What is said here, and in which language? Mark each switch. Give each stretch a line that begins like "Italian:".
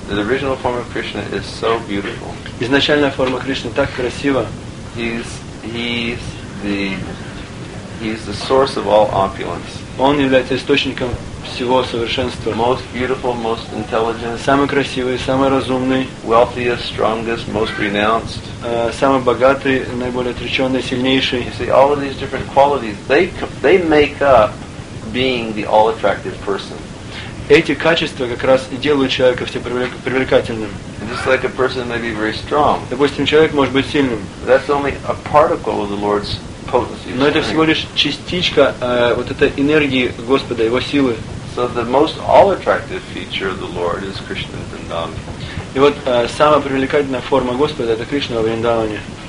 English: The original form of Krishna is so beautiful.
Russian: Изначальная форма Кришны так красива.
English: He's the source of all opulence.
Russian: Он является источником всего совершенства.
English: Most beautiful, most intelligent.
Russian: Самый красивый, самый разумный.
English: Wealthiest, strongest, most renounced.
Russian: Самый богатый, наиболее отреченный, сильнейший.
English: You see, all of these different qualities, they make up being the all-attractive person.
Russian: Эти качества как раз и делают человека все привлекательным.
English: Just like a person may be very strong.
Russian: Допустим, человек может быть сильным.
English: That's only a particle of the Lord's potency.
Russian: Но это всего лишь частичка вот этой энергии Господа, его силы.
English: So the most all-attractive feature of the Lord is Krishna in Vrindavan.
Russian: И вот самая привлекательная форма Господа это Кришна во Вриндаване.